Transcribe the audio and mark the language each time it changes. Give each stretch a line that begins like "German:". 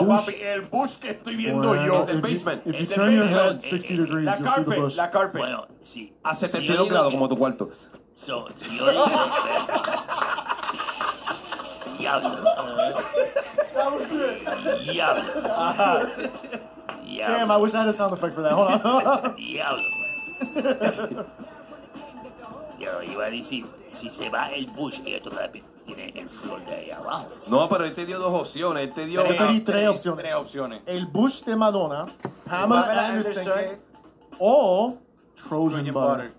Spanish: No, papi, el bush que estoy viendo yo. El basement.
English: If you turn your head 60 degrees, you'll see the bush.
Spanish: La carpet. Bueno, sí. A 72 grados como tu cuarto. So, si yo digo... Diablo. Diablo. Ajá.
English: Damn, I wish I had a sound effect for that. Hold on.
Spanish: Diablo. Yo iba a decir, si se va el bush, y esto rápido. Tiene el flor de ahí abajo. No, pero él te dio dos opciones. Él te dio tres opciones. El bush de Madonna, Pamela Anderson, que, o Trojan Butter.